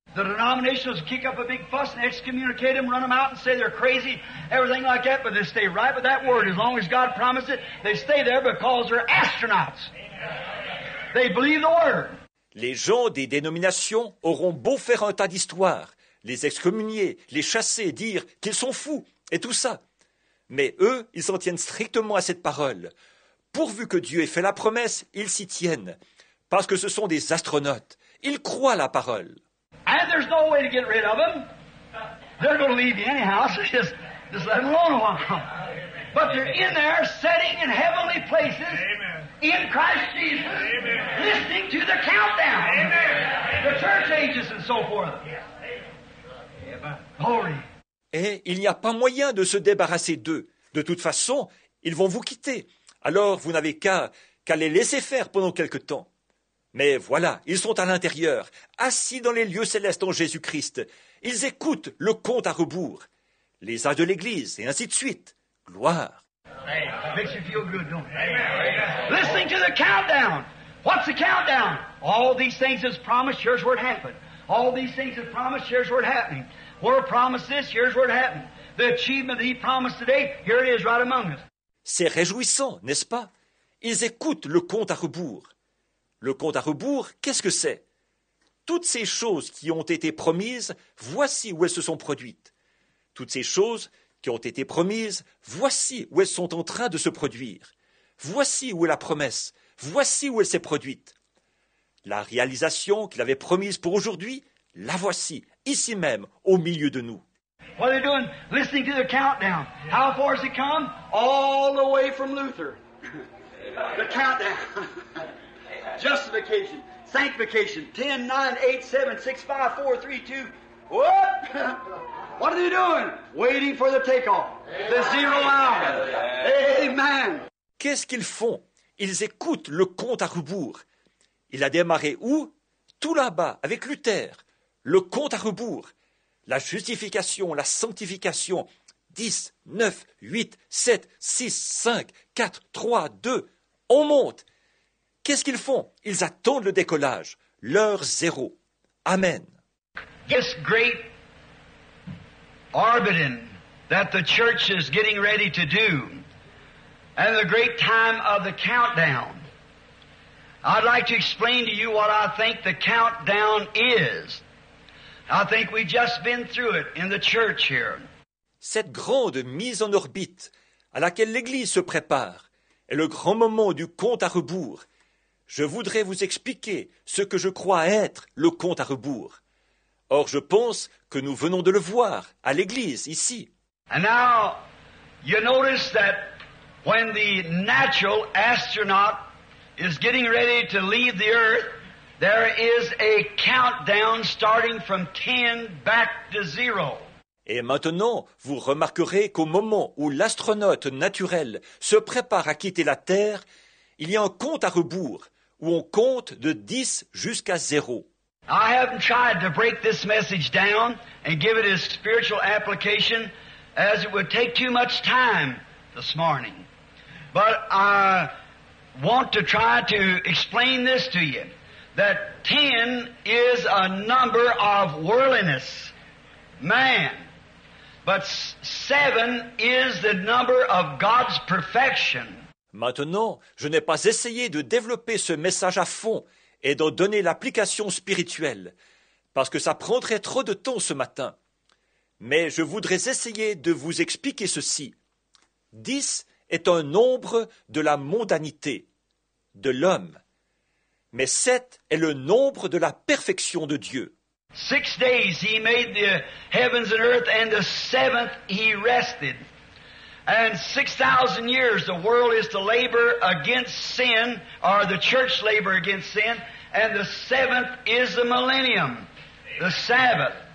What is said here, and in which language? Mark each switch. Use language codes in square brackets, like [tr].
[en] The denominations kick up a big fuss and excommunicate them, run them out and say they're crazy, everything like that, but they stay right with that word. As long as God promised it, they stay there because they're astronauts. They believe the word. [fr] Les gens des dénominations auront beau faire un tas d'histoires, les excommunier, les chasser, dire qu'ils sont fous et tout ça. Mais eux, ils s'en tiennent strictement à cette parole. Pourvu que Dieu ait fait la promesse, ils s'y tiennent. Parce que ce sont des astronautes. Ils croient la parole. [en] And there's no way to get rid of them. They're going to leave you anyhow. So just let them alone a while. But they're in there, sitting in heavenly places, in Christ Jesus, listening to the countdown, the church ages and so forth. Glory. [fr] Et il n'y a pas moyen de se débarrasser d'eux. De toute façon, ils vont vous quitter. Alors vous n'avez qu'à les laisser faire pendant quelque temps. Mais voilà, ils sont à l'intérieur, assis dans les lieux célestes en Jésus-Christ. Ils écoutent le compte à rebours, les âges de l'Église, et ainsi de suite. Gloire. [en] Makes you feel good, don't it? Listening to the countdown. What's the countdown? All these things is promised, here's where it happened. All these things is promised, here's where it happened. We're promised this, here's where it happened. The achievement that he promised today, here it is right among us. [fr] C'est réjouissant, n'est-ce pas? Ils écoutent le compte à rebours. Le compte à rebours, qu'est-ce que c'est? Toutes ces choses qui ont été promises, voici où elles se sont produites. Toutes ces choses qui ont été promises, voici où elles sont en train de se produire. Voici où est la promesse, voici où elle s'est produite. La réalisation qu'il avait promise pour aujourd'hui, la voici, ici même, au milieu de nous. [en] What are they doing? Listening to the countdown. How far has it come? All the way from Luther. The countdown. Justification, sanctification, 10, 9, 8, 7, 6, 5, 4, 3, 2. Whoop! What are they doing? Waiting for the takeoff. The zero hour. Amen. [fr] Qu'est-ce qu'ils font? Ils écoutent le compte à rebours. Il a démarré où? Tout là-bas, avec Luther. Le compte à rebours. La justification, la sanctification. 10, 9, 8, 7, 6, 5, 4, 3, 2. On monte. Qu'est-ce qu'ils font? Ils attendent le décollage. L'heure zéro. Amen. [en] This great orbiting that the church is getting ready to do, and the great time of the countdown, I'd like to explain to you what I think the countdown is. I think we've just been through it in the church here. [fr] Cette grande mise en orbite à laquelle l'Église se prépare est le grand moment du compte à rebours. Je voudrais vous expliquer ce que je crois être le compte à rebours. Or, je pense que nous venons de le voir à l'Église, ici. [en] And now, you notice that when the natural astronaut is getting ready to leave the Earth, there is a countdown starting from 10 back to zero. [fr] Et maintenant, vous remarquerez qu'au moment où l'astronaute naturel se prépare à quitter la Terre, il y a un compte à rebours, où on compte de 10 jusqu'à 0. [en] I haven't tried to break this message down and give it a spiritual application, as it would take too much time this morning. But I want to try to explain this to you, that 10 is a number of worldliness, man. But 7 is the number of God's perfection. [fr] Maintenant, je n'ai pas essayé de développer ce message à fond et d'en donner l'application spirituelle, parce que ça prendrait trop de temps ce matin. Mais je voudrais essayer de vous expliquer ceci. 10 est un nombre de la mondanité, de l'homme. Mais 7 est le nombre de la perfection de Dieu. [en] 6 days he made the heavens and earth, and the seventh he rested. And 6,000 years the world is to labor against sin, or the church labor against sin, and the seventh is the millennium, the Sabbath.